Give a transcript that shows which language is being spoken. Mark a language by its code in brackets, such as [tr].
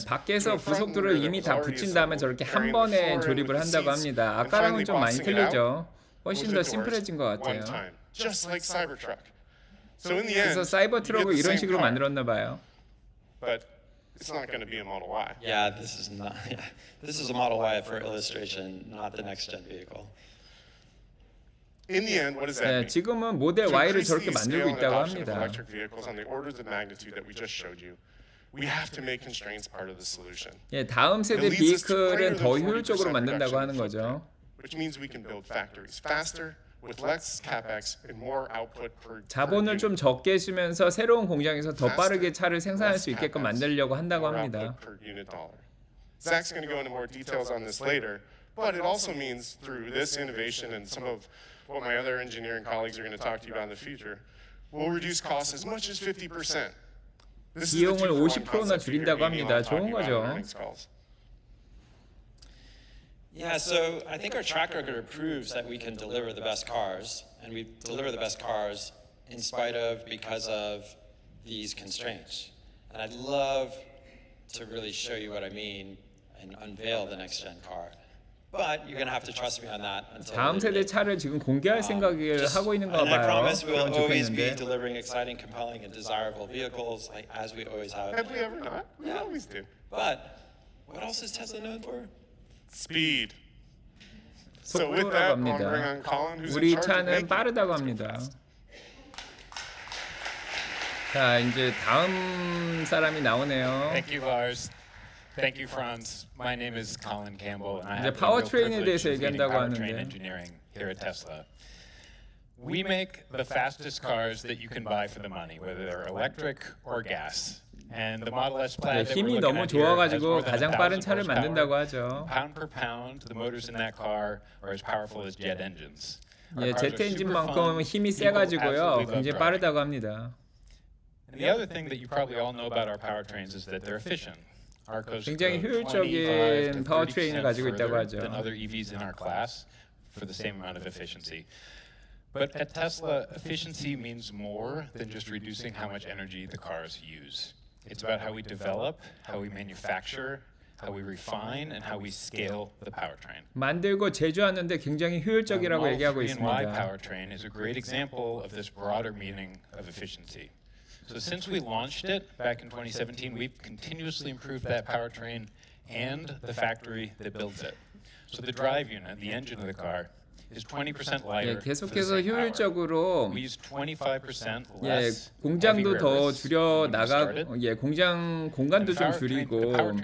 [ko] 밖에서 부속들을 이미 다 붙인 다음에 저렇게 한 번에 조립을 한다고 합니다. 아까랑은 좀 많이 틀리죠. 훨씬 더 심플해진 것 같아요. 그래서 사이버 트럭을 이런 식으로 만들었나 봐요. [en] It's not going to be a Model Y. Yeah, this is not. Yeah. This is a Model Y for illustration, not the next gen vehicle. In the end, what does that mean? [ko] 지금은 모델 Y를 저렇게 만들고 있다고 합니다. [en] Electric vehicles on the orders of magnitude that we just showed you. We have to make constraints part of the solution. [ko] 예, 다음 세대 비클은 더 효율적으로 만든다고 하는 거죠. [en] Which means we can build factories faster with less capex and more output per [ko] 자본을 좀 적게 쓰면서 새로운 공장에서 더 빠르게 차를 생산할 수 있게끔 만들려고 한다고 합니다. [en] Zach's going to go into more details on this later, but it also means through this innovation and some of what my other engineering colleagues are going to talk to you about in the future, we'll reduce costs as much as 50%. [ko] 비용을 50%나 줄인다고 합니다. 좋은 거죠. [en] Yeah, so I think our track record proves that we can deliver the best cars, and we deliver the best cars in spite of, because of these constraints. And I'd love to really show you what I mean and unveil the next gen car. But you're going to have to trust me on that. Until [ko] 다음 세대 차를 지금 공개할 생각을 하고 있는 거 봐요. [en] I promise we'll always be delivering exciting, compelling, and desirable vehicles like, as we always have. Have we ever not? We yeah. always do. But what else is Tesla known for? Speed. So with that, I'm going to bring on Colin, who's in charge of making the cars. [ko] 자, 이제 다음 사람이 나오네요. [en] Thank you, Lars. Thank you, Franz. My name is Colin Campbell, and I have the real privilege of leading powertrain engineering here at Tesla. We make the fastest cars that you can buy for the money, whether they're electric or gas. And the Model S Plaid [ko] 네, 힘이 너무 좋아가지고 가장 빠른 차를 만든다고 하죠. [en] Pound per pound, the motors in that car are as powerful as jet engines. [ko] 예, 제트 엔진만큼 힘이 세가지고요, 굉장히 빠르다고 합니다. [en] And the other thing that you probably all know about our powertrains is that they're efficient. [ko] 굉장히 효율적인 파워트레인을 가지고 있다고 하죠. [en] Than other EVs in our class for the same amount of efficiency. But at Tesla, efficiency means more than just reducing how much energy the cars use. It's about how we develop, how we manufacture, how we refine, and how we scale the powertrain. [ko] 만들고 제조하는데 굉장히 효율적이라고 얘기하고 있습니다. [en] The Y powertrain is a great example of this broader meaning of efficiency. So since we launched it back in 2017, we've continuously improved that powertrain and the factory that builds it. So the drive unit, the engine of the car, is 20% lighter. [ko] 예, 계속해서 효율적으로 [en] we use 25% less. [ko] 예, 공장도 더 줄여 나가 예, 공장 공간도 좀 줄이고